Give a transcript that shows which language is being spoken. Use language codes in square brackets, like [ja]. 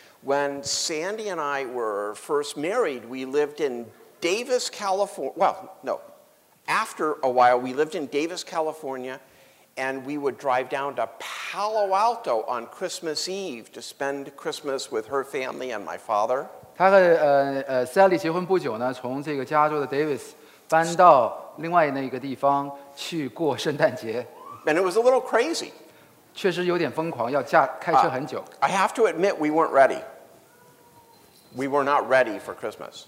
[en] When Sandy and I were first married, we lived in Davis, California. Well, no. After a while, we lived in Davis, California, and we would drive down to Palo Alto on Christmas Eve to spend Christmas with her family and my father. [zh] 他和Sally 结婚不久呢，从这个加州的 Davis 搬到另外那个地方去过圣诞节。 [en] And it was a little crazy. [zh] 确实有点疯狂，要驾开车很久。 [en] I have to admit, we weren't ready. We were not ready for Christmas.